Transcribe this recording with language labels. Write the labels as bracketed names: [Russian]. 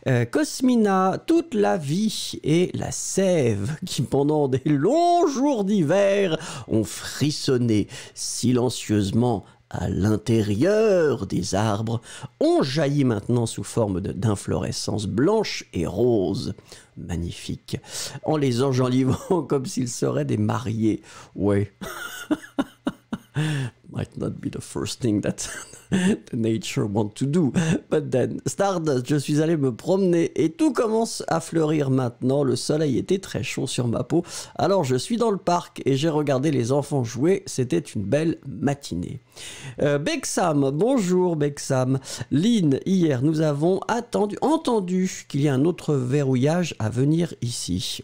[French] Cosmina, toute la vie et la sève qui, pendant des longs jours d'hiver, ont frissonné silencieusement à l'intérieur des arbres, ont jailli maintenant sous forme d'inflorescence blanche et rose. Magnifique. En les enjolivant comme s'ils seraient des mariés. Ouais. [English] might not be the first thing that the nature want to do. But then, [French] Stardust, je suis allé me promener et tout commence à fleurir maintenant. Le soleil était très chaud sur ma peau. Alors, je suis dans le parc et j'ai regardé les enfants jouer. C'était une belle matinée. Bexam, bonjour Bexam. Lynn, hier, nous avons entendu qu'il y a un autre verrouillage à venir ici.